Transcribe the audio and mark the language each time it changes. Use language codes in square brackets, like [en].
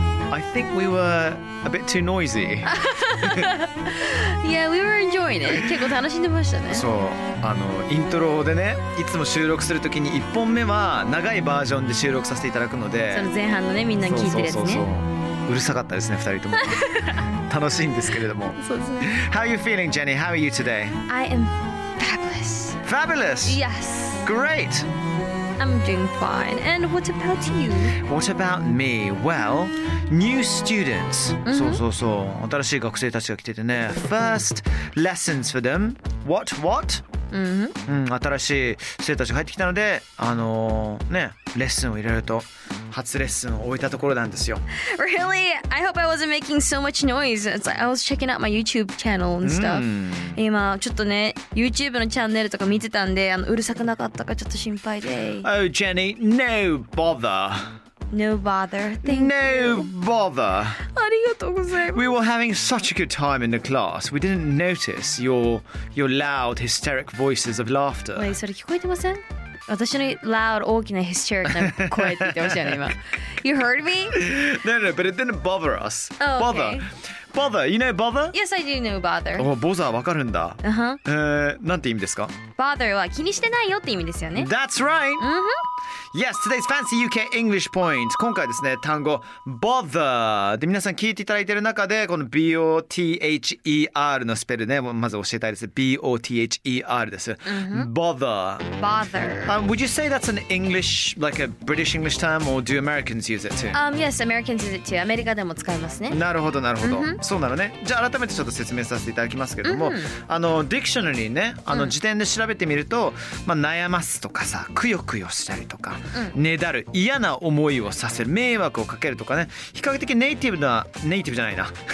[en] I think we were a bit too noisy. Yeah, we were enjoying it. [ja] 結構楽しんでましたね。そう、あのイントロでね、いつも収録するときに一本目は長いバージョンで収録させていただくので、その前半のね、みんな聞いてるやつね。そうそうそう。うるさかったですね、二人とも。楽しいんですけれども。そうですね。 [en] How are you feeling, Jenny? How are you today? I am fabulous. Fabulous. Yes. Great. I'm doing fine. And what about you? What about me? Well, new students. So, so, so. [ja] 新しい学生たちが来ててね。 [en] First lessons for them. What, what? Mm-hmm. [ja] うん、新しい生たちが入ってきたので、ね、レッスンを入れると、初レッスンを終えたところなんですよ。 [en] Really? I hope I wasn't making so much noise. It's like I was checking out my YouTube channel and stuff. [ja] 今、ちょっとね、YouTube のチャンネルとか見てたんで、うるさくなかったかちょっと心配で。 [en] Oh, Jenny, no bother. No bother. Thank no you. No bother. [ja] ありがとうございます。 [en] We were having such a good time in the class. We didn't notice your loud, hysteric voices of laughter. [ja] Wait, それ聞こえてません？私の loud, 大きな hysteric な声って言ってましたよね、今。 [en] You heard me? No, no, but it didn't bother us. Oh, okay. Bother. Bother. You know bother? Yes, I do know bother. Oh, bother, [ja] わかるんだ。 Uh-huh. なんて意味ですか？ Bother は気にしてないよって意味ですよね。 [en] That's right! Uh-huh. Yes, today's fancy UK English point. [ja] 今回ですね、単語 bother で皆さん聞いていただいている中でこの b o t h e r のスペルね、まず教えたいです。 b o t h e r です。 Mm-hmm. [en] Bother. Bother.、 Would you say that's an English, like a British English term, or do Americans use it too? Yes, Americans use it too. [ja] アメリカでも使いますね。なるほどなるほど。Mm-hmm. そうなのね。じゃあ改めてちょっと説明させていただきますけれども、mm-hmm. ディクショナリーね、辞典で調べてみると、まあ、悩ますとかさ、くよくよしたりとか。うん、ねだる嫌な思いをさせる迷惑をかけるとかね、比較的ネイティブなネイティブじゃないな